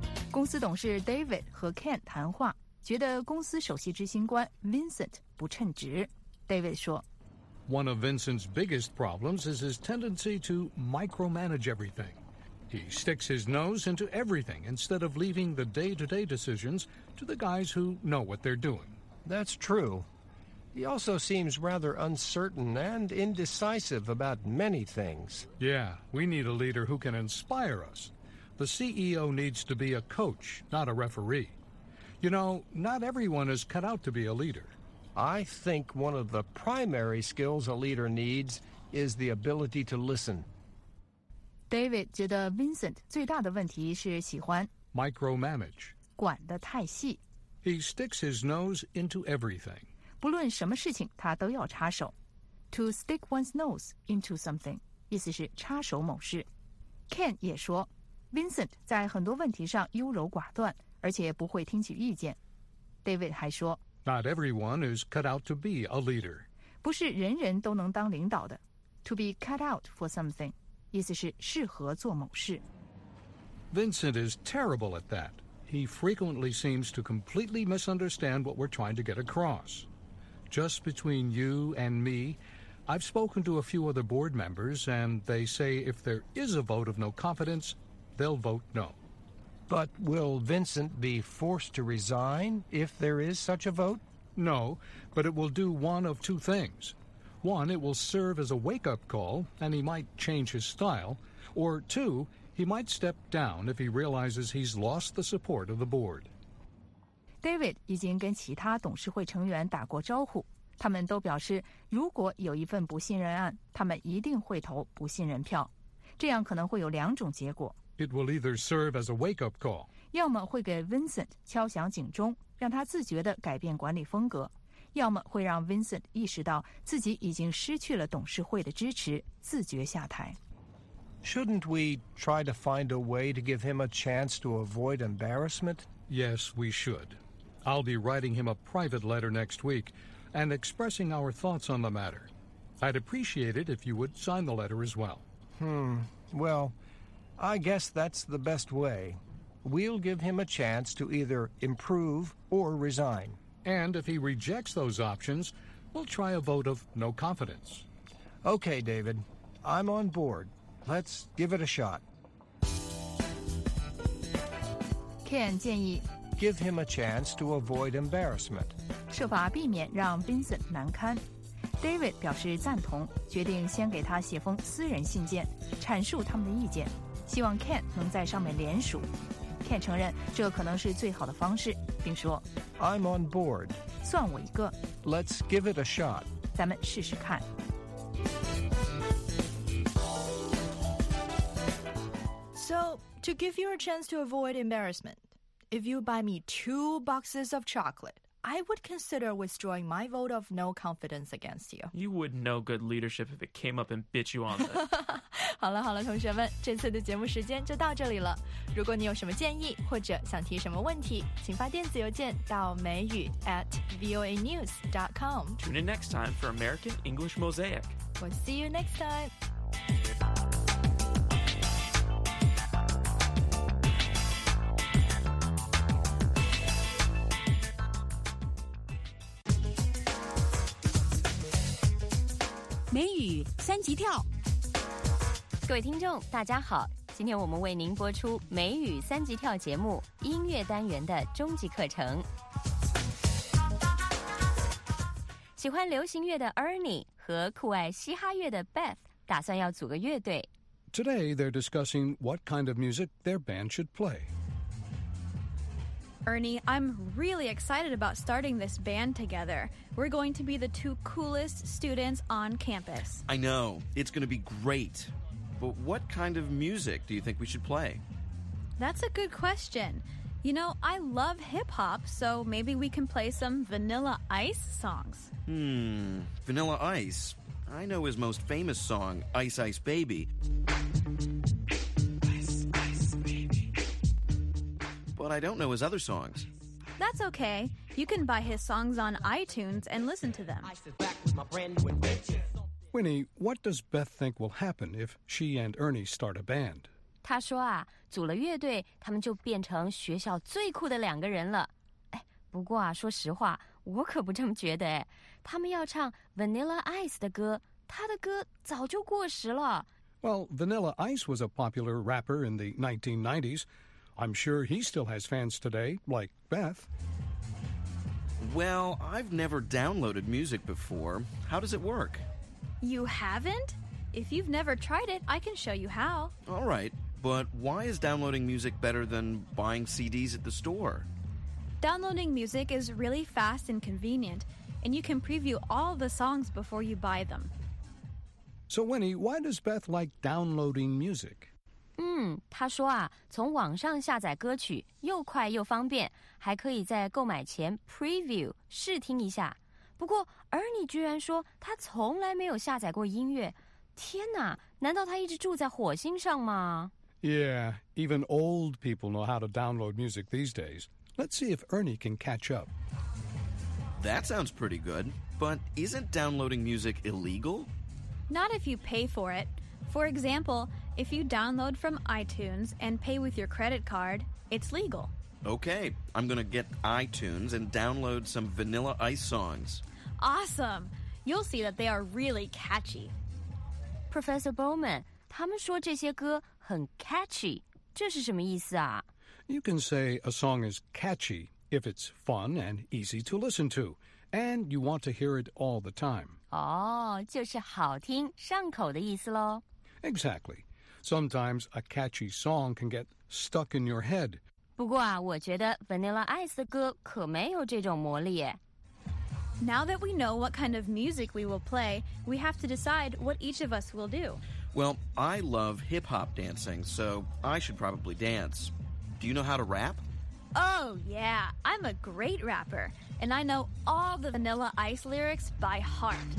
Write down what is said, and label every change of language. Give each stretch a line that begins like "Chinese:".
Chinese: 公司董事 David 和 Ken 谈话觉得公司首席执行官 Vincent 不称职 David 说
English: One of Vincent's biggest problems is his tendency to micromanage everything. He sticks his nose into everything instead of leaving the day-to-day decisions to the guys who know what they're doing. That's true. He also seems rather uncertain and indecisive about many things. Yeah, we need a leader who can inspire us. The CEO needs to be a coach, not a referee. You know, not everyone is cut out to be a leader. I think one of the primary skills a leader needs is the ability to listen.
Chinese: David 觉得 Vincent 最大的问题是喜欢
English: micromanage.
Chinese: 管得太细。
English: He sticks his nose into everything.
Chinese: 不论什么事情他都要插手。
English: To stick one's nose into something,
Chinese: 意思是插手某事。 Ken 也说 Vincent 在很多问题上优柔寡断。而且不会听取意见 David 还说
English: Not everyone is cut out to be a leader
Chinese: 不是人人都能当领导的
English: To be cut out for something
Chinese: 意思是适合做某事
English: Vincent is terrible at that He frequently seems to completely misunderstand what we're trying to get across Just between you and me I've spoken to a few other board members and they say if there is a vote of no confidence they'll vote no But will Vincent be forced to resign if there is such a vote? No, but it will do one of two things. One, it will serve as a wake-up call, and he might change his style. Or two, he might step down if he realizes he's lost the support of the board.
Chinese: David 已经跟其他董事会成员打过招呼。他们都表示，如果有一份不信任案，他们一定会投不信任票。这样可能会有两种结果。
English: It will either serve as a wake-up call.
Chinese: 要么会给 Vincent 敲响警钟，让他自觉地改变管理风格；要么会让 Vincent 意识到自己已经失去了董事会的支持，自觉下台。
English: Shouldn't we try to find a way to give him a chance to avoid embarrassment? Yes, we should. I'll be writing him a private letter next week and expressing our thoughts on the matter. I'd appreciate it if you would sign the letter as well. Well... I guess that's the best way. We'll give him a chance to either improve or resign. And if he rejects those options, we'll try a vote of no confidence. Okay, David. I'm on board. Let's give it a shot.
Chinese: Ken 建议
English: Give him a chance to avoid embarrassment.
Chinese: 设法避免让 Vincent 难堪。David 表示赞同，决定先给他写封私人信件，阐述他们的意见。希望 Ken 能在上面联署。Ken 承认这可能是最好的方式，并说
English: I'm on board.
Chinese: 算我一个。
English: Let's give it a shot.
Chinese: 咱们试试看。
English: So, to give you a chance to avoid embarrassment, if you buy me 2 boxes of chocolate, I would consider withdrawing my vote of no confidence against you. You wouldn't know good leadership if it came up and bit you on the...
Chinese: 好了好了同学们这次的节目时间就到这里了如果你有什么建议或者想提什么问题请发电子邮件到美语 @voanews.com
English: Tune in next time for American English Mosaic We'll see you next time
Chinese: 美语三级跳。各位听众大家好，今天我们为您播出美语三级跳节目音乐单元的终极课程。喜欢流行乐的 Ernie 和酷爱嘻哈乐的 Beth 打算要组个乐队。
English: Today, they're discussing what kind of music their band should play. Ernie, I'm really excited about starting this band together. We're going to be the two coolest students on campus. I know. It's going to be great. But what kind of music do you think we should play? That's a good question. You know, I love hip-hop, so maybe we can play some Vanilla Ice songs. Vanilla Ice? I know his most famous song, Ice Ice Baby. But I don't know his other songs. That's okay. You can buy his songs on iTunes and listen to them. Winnie, what does Beth think will happen if she and Ernie start a band?
Chinese: 她说啊，组了乐队，他们就变成学校最酷的两个人了。哎，不过啊，说实话，我可不这么觉得哎。他们要唱 Vanilla Ice 的歌，他的歌早就过时了。
English: Well, Vanilla Ice was a popular rapper in the 1990s. I'm sure he still has fans today, like Beth. Well, I've never downloaded music before. How does it work? You haven't? If you've never tried it, I can show you how. All right, but why is downloading music better than buying CDs at the store? Downloading music is really fast and convenient, and you can preview all the songs before you buy them. So, Winnie, why does Beth like downloading music?
Chinese: 他说啊，从网上下载歌曲又快又方便，还可以在购买前 preview 试听一下。不过 Ernie 居然说他从来没有下载过音乐，天哪，难道他一直住在火星上吗？
English: Yeah, even old people know how to download music these days. Let's see if Ernie can catch up. That sounds pretty good, but isn't downloading music illegal? Not if you pay for it. For example,If you download from iTunes and pay with your credit card, it's legal. Okay, I'm gonna get iTunes and download some Vanilla Ice songs. Awesome! You'll see that they are really catchy.
Chinese: Professor Bowman, 他们说这些歌很 catchy, 这是什么意思啊?
English: You can say a song is catchy if it's fun and easy to listen to, and you want to hear it all the time.
Chinese: 哦、oh, 就是好听上口的意思咯。
English: Exactly. Sometimes a catchy song can get stuck in your head.
Chinese: 不过啊，我觉得 Vanilla Ice 的歌可没有这种魔力耶。
English: Now that we know what kind of music we will play, we have to decide what each of us will do. Well, I love hip-hop dancing, so I should probably dance. Do you know how to rap? Oh, yeah, I'm a great rapper, and I know all the Vanilla Ice lyrics by heart.